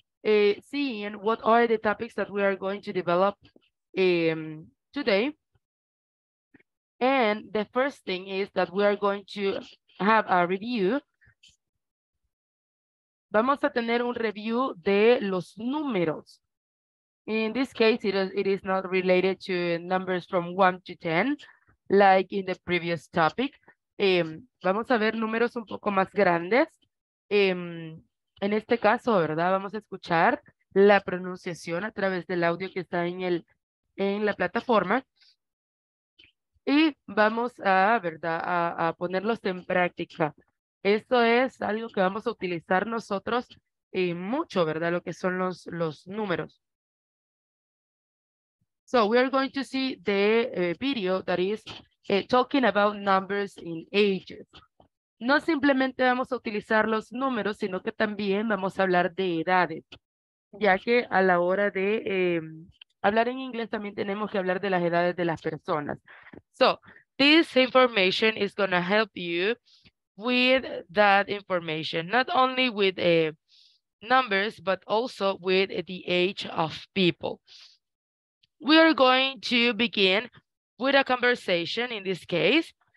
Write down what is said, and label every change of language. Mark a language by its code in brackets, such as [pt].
[en] Seeing what are the topics that we are going to develop today. And the first thing is that we are going to have a review. [es] Vamos a tener un review de los números. [en] In this case, it is not related to numbers from 1 to 10, like in the previous topic. [es] Vamos a ver números un poco más grandes. En este caso, ¿verdad? Vamos a escuchar la pronunciación a través del audio que está en la plataforma. Y vamos a, ¿verdad? A ponerlos en práctica. Esto es algo que vamos a utilizar nosotros y mucho, ¿verdad? Lo que son los números. [en] So, we are going to see the video that is talking about numbers in ages. [es] No simplemente vamos a utilizar los números, sino que también vamos a hablar de edades, ya que a la hora de hablar en inglés también tenemos que hablar de las edades de las personas. [en] So, this information is going to help you with that information, not only with numbers, but also with the age of people. We are going to begin with a conversation in this case.